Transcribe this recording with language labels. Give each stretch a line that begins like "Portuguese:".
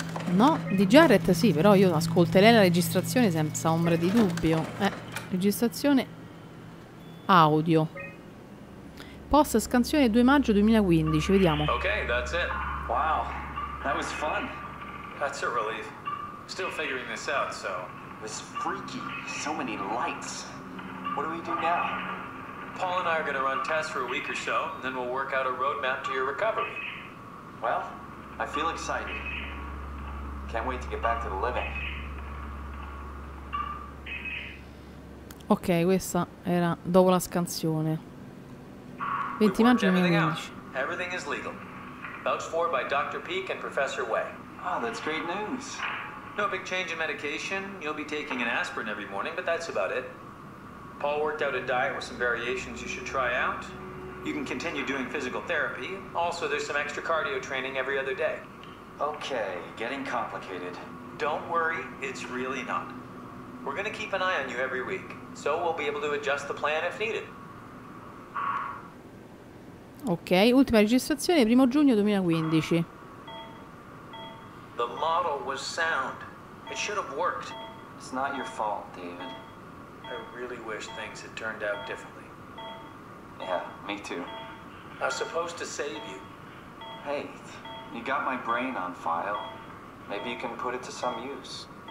Italian: No, di Jarrett sì, però io ascolterei la registrazione senza ombra di dubbio. Registrazione audio. Post scansione 2 maggio 2015, vediamo.
English: Ok, that's it. Wow, that was fun. That's a relief. Still figuring this out, so. This freaky, so many lights. What do we do now? Paul and I are gonna run tests for a week or so, and then we'll work out a roadmap to your recovery. Well, I feel excited. Can't wait to get back to the living.
Italian: Ok, questa era dopo la scansione. 20 maggio 2015.
English: Everything is legal. Vouched for by Dr. Peak and Professor Wei. Oh, that's great news. No big change in medication. You'll be taking an aspirin every morning, but that's about it. Paul worked out a diet with some variations you should try out. You can continue doing physical therapy. Also, there's some extra cardio training every other day. Okay, getting complicated. Don't worry, it's really not. We're gonna keep an eye on you every week, so we'll be able to adjust the plan if needed.
Italian: Ok, ultima registrazione, 1 giugno 2015.
English: The model was sound. It should have worked. It's not your fault, David. I really wish things had turned out differently. Yeah, me too. I was supposed to save you. Hey, you got my brain on file. Maybe you can put it to some use.